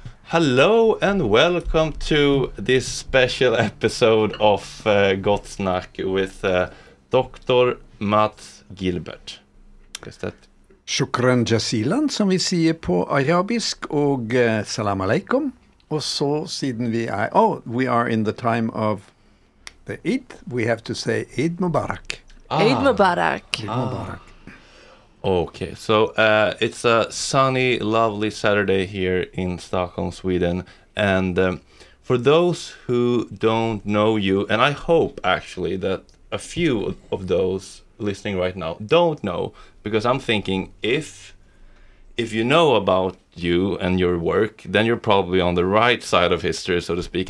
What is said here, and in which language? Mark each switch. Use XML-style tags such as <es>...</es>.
<en>Hello and welcome to this special episode of Gott Snack with Dr. Mats Gilbert. Is that?</en> <ar>Shukran jazilan,</ar> <sv>som vi säger på arabisk, och</sv> <ar>salam alaikum.</ar> <sv>Och så, siden vi är...</sv> <en>Oh, we are in the time of the Eid, we have to say Eid Mubarak. Eid Mubarak. Eid Mubarak. Okay, so it's a sunny, lovely Saturday here in Stockholm, Sweden. And for those who don't know you, and I hope actually that a few of those listening right now don't know, because I'm thinking if you know about you and your work, then you're probably on the right side of history, so to speak.</en>